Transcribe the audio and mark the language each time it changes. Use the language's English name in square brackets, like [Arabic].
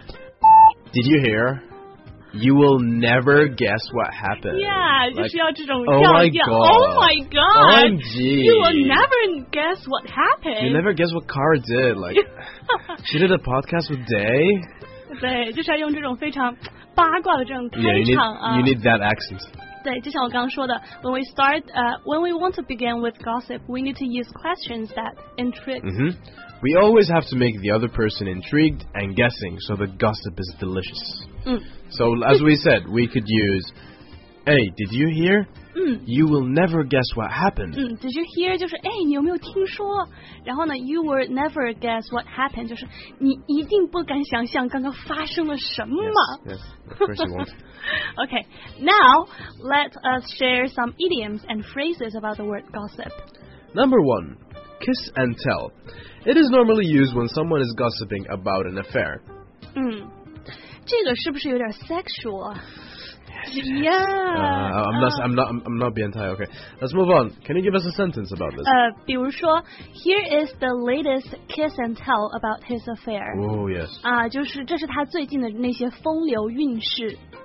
[English] Did you hear? You will never guess what happened. Yeah, like, [Chinese] 就是要这种调调 [English] Oh my god. Oh my god. OMG. You will never guess what happened. You never guess what Kara did. Like, she did a podcast with Day. [Chinese] 对，就是要用这种非常八卦的这种开场啊。 [English] Yeah, you need that accent. [Chinese] 对，就像我刚刚说的 [English] when we start, when we want to begin with gossip, we need to use questions that intrigue. Mm-hmm. We always have to make the other person intrigued and guessing, so the gossip is delicious. Mm. So as we said, we could use, hey, did you hear? Mm. You will never guess what happened. Mm. Did you hear? [Chinese] 就是哎，你有没有听说？然后呢 [English] you will never guess what happened. [Chinese] 就是你一定不敢想象刚刚发生了什么。 [English] Yes, yes, of course you won't. Okay, now let us share some idioms and phrases about the word gossip. Number one, kiss and tell. It is normally used when someone is gossiping about an affair. [Chinese] Mm. 这个是不是有点 sexual? [English] Yeah. I'm not [Chinese] 变态 [English] okay. Let's move on. Can you give us a sentence about this? [Chinese] 比如说 [English] here is the latest kiss and tell about his affair. Oh, yes. [Chinese] 就是这是他最近的那些风流韵事。